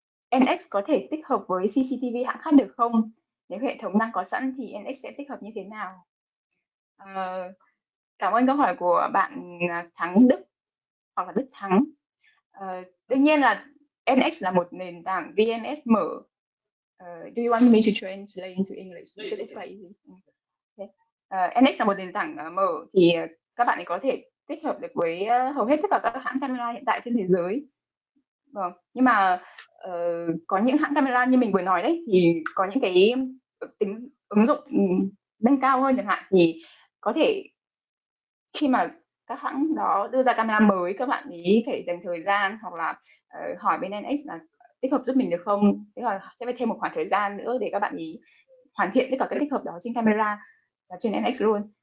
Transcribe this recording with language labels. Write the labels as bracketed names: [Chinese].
[Vietnamese] NX có thể tích hợp với CCTV hãng khác được không? Nếu hệ thống đang có sẵn thì NX sẽ tích hợp như thế nào? Cảm ơn câu hỏi của bạn Thắng Đức hoặc là Đức Thắng. Tuy nhiên là NX là một nền tảng VNS mở. [English] Do you want me to translate into English? Because it's quite easy. [Vietnamese] NX là một nền tảng mở thì các bạn ấy có thể tích hợp được với hầu hết tất cả các hãng camera hiện tại trên thế giới. Vâng. Nhưng mà có những hãng camera như mình vừa nói đấy thì có những cái tính ứng dụng nâng cao hơn chẳng hạn, thì có thể khi mà các hãng đó đưa ra camera mới, các bạn ý phải dành thời gian hoặc là hỏi bên NX là tích hợp giúp mình được không, thế là sẽ phải thêm một khoảng thời gian nữa để các bạn ý hoàn thiện tất cả các tích hợp đó trên camera và trên NX luôn.